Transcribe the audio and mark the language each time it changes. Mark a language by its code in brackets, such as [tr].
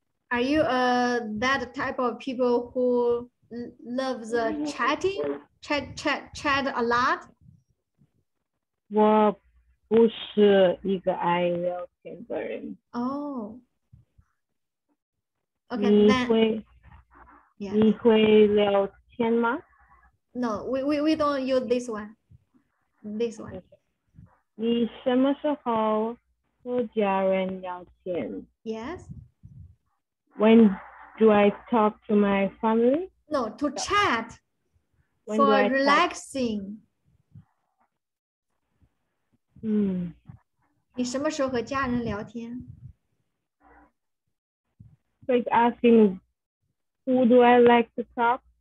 [en] Are you that type of people who loves chatting, chat a lot? [zh] 我不是一个爱聊天的人。 [en] Oh. Okay. Then. Yeah. [zh] 你会聊天吗？ [en] No, we don't use this one. This one. [zh] 你什么时候和家人聊天? [en] Yes. When do I talk to my family? No, to chat. When for relaxing. [zh] 你什么时候和家人聊天? [en] Like asking, who do I like to talk to?